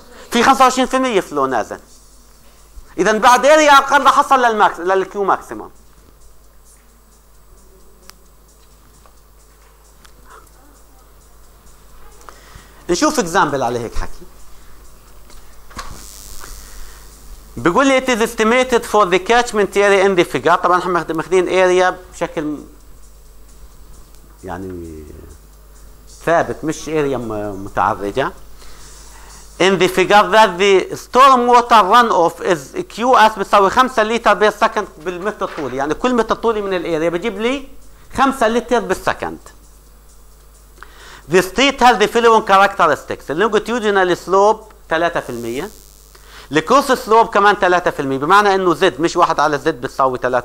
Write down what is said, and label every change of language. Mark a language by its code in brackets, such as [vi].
[ar] في 25% فلو نازل. اذا بعد اريا اقل راح اصل للكيو ماكسيموم. نشوف اكزامبل على هيك حكي. بيقول لي [en] it is estimated for the catchment area in the figure. [ar] طبعا احنا ماخذين اريا بشكل يعني ثابت مش اريا متعرجة. [en] In the figure that the storm water runoff is QS [ar] بتساوي 5 لتر بالسكند بالمتر الطولي، يعني كل متر طولي من الاريا بجيب لي 5 لتر بالسكند. [en] The state has the following characteristics. Longitudinal slope 3%. The cross slope [ar] كمان 3%، بمعنى انه زد مش 1 على زد بتساوي 33.33.